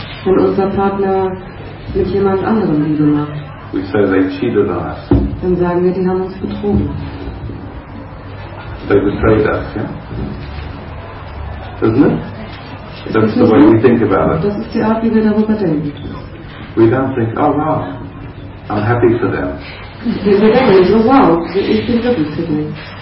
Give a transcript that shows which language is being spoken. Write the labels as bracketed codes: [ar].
[de] Wenn unser Partner mit jemand anderem Liebe macht. [en] We say they cheated on us. [de] Dann sagen wir, die haben uns betrogen. [en] They betrayed us, yeah? Isn't it? That's the way we think about it. [de] Das ist die Art, wie wir darüber denken. [en] We don't think, oh wow, I'm happy for them. [de] Wir denken nicht, oh wow, ich bin glücklich für dich.